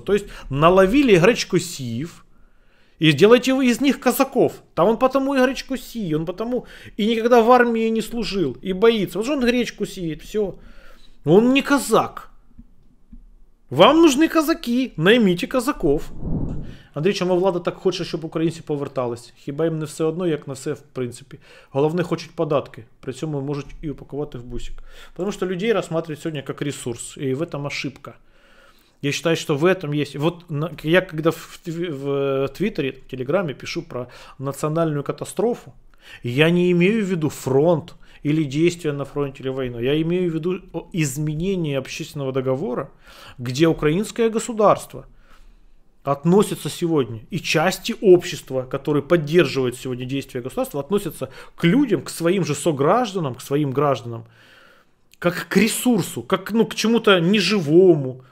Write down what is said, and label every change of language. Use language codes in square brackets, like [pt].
[ru] То есть наловили гречку сиев, и сделайте вы из них казаков. Там он потому и гречку сии, он потому и никогда в армии не служил, и боится. Вот же он гречку сиет, все. Он не казак. Вам нужны казаки, наймите казаков. [uk] Андрій, чому влада так хоче, щоб українці повертались? Хіба їм не все одно, як на все, в принципі. Головне, хочуть податки. При цьому можуть і упакувати в бусик. Тому що людей розглядають сьогодні як ресурс. І в цьому ошибка. Я вважаю, що в цьому є... Вот, я коли в Твіттері, в Телеграмі пишу про національну катастрофу, я не маю в виду фронт, или действия на фронте, или войну. [ru] Я имею в виду изменение общественного договора, где украинское государство относится сегодня, и части общества, которые поддерживают сегодня действия государства, относятся к людям, к своим же согражданам, к своим гражданам, как к ресурсу, как ну, к чему-то неживому.